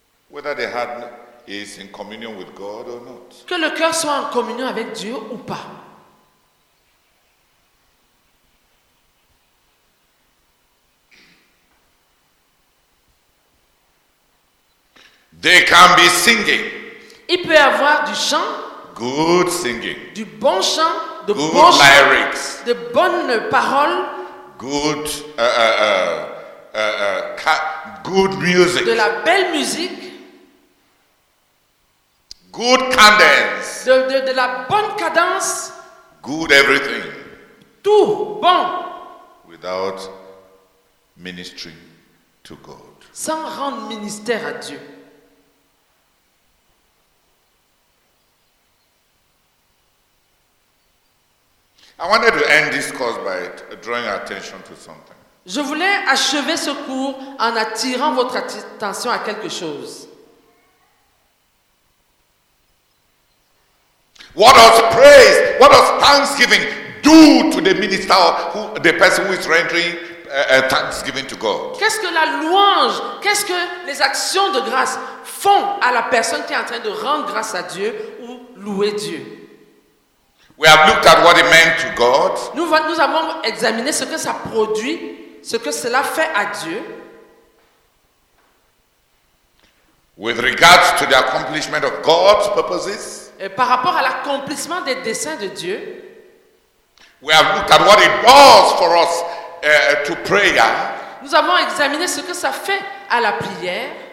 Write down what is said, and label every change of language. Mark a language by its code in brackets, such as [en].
[en] Whether the heart is in communion with God or not. [fr] Que le cœur soit en communion avec Dieu ou pas. [en] They can be singing. [fr] Il peut y avoir du chant. [en] Good singing. [fr] Du bon chant. De [en] good [fr] bon [en] lyrics. [fr] Chant, de bonnes paroles. [en] Good music. [fr] De la belle musique. [en] Good cadence. [fr] De la bonne cadence. [en] Good everything. [fr] Tout bon. [en] Without ministering to God. [fr] Sans rendre ministère à Dieu. [en] I wanted to end this course by drawing attention to something. [fr] Je voulais achever ce cours en attirant votre attention à quelque chose. [en] What does praise, what does thanksgiving do to the minister, who, the person who is rendering thanksgiving to God? [fr] Qu'est-ce que la louange, qu'est-ce que les actions de grâce font à la personne qui est en train de rendre grâce à Dieu ou louer Dieu? [en] We have looked at what it meant to God. [fr] Nous avons examiné ce que ça produit, ce que cela fait à Dieu. [en] With regards to the accomplishment of God's purposes. [fr] Et par rapport à l'accomplissement des desseins de Dieu. [en] We have looked at what it does for us to prayer. [fr] Nous avons examiné ce que ça fait à la prière.